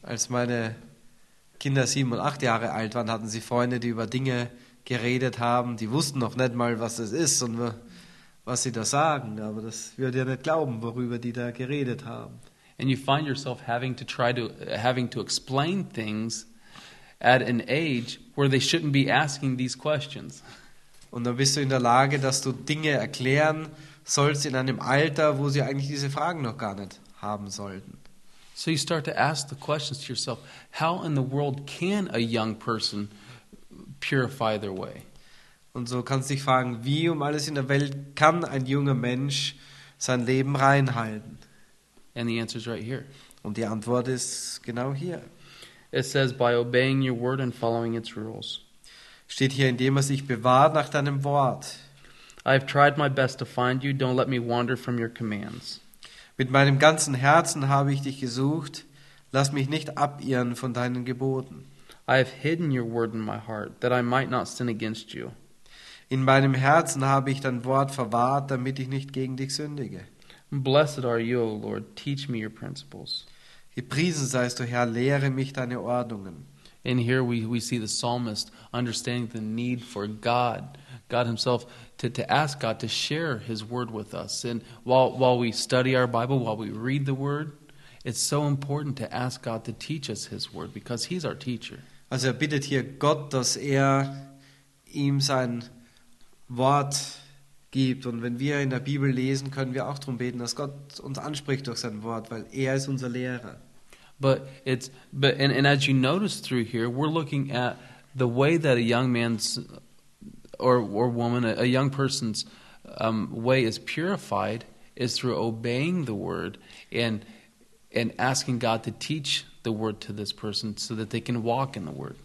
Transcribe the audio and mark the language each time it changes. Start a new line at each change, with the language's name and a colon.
German: Als meine Kinder 7 und 8 Jahre alt waren, hatten sie Freunde, die über Dinge geredet haben. Die wussten noch nicht mal, was das ist und was sie da sagen. Aber das würde ja nicht glauben, worüber die da geredet haben.
English: And you find yourself having to explain things at an age where they shouldn't be asking these questions.
German: Und dann bist du in der Lage, dass du Dinge erklären sollst in einem Alter, wo sie eigentlich diese Fragen noch gar nicht haben sollten.
English: So you start to ask the questions to yourself, how in the world can a young person purify their way?
German: Und so kannst du dich fragen, wie um alles in der Welt kann ein junger Mensch sein Leben reinhalten?
English: And the answer is right here.
German: Und die Antwort ist genau hier.
English: It says, by obeying your word and following its rules.
German: Steht hier, indem er sich bewahrt nach deinem Wort.
English: I have tried my best to find you. Don't let me wander from your commands.
German: Mit meinem ganzen Herzen habe ich dich gesucht. Lass mich nicht abirren von deinen Geboten.
English: I have hidden your word in my heart, that I might not sin against you.
German: In meinem Herzen habe ich dein Wort verwahrt, damit ich nicht gegen dich sündige.
English: Blessed are you, O Lord. Teach me your principles.
German: Gepriesen seist du, Herr, lehre mich deine Ordnungen.
English: And here we see the psalmist understanding the need for God himself, to ask God to share his word with us. And while we study our Bible, while we read the word, it's so important to ask God to teach us his word, because he's our teacher.
German: Also er bittet hier Gott, dass er ihm sein Wort gibt. Und wenn wir in der Bibel lesen, können wir auch darum beten, dass Gott uns anspricht durch sein Wort, weil er ist unser Lehrer.
English: But as you notice through here, we're looking at the way that a young man's or woman, a young person's way is purified is through obeying the word and asking God to teach the word to this person so that they can walk in the word.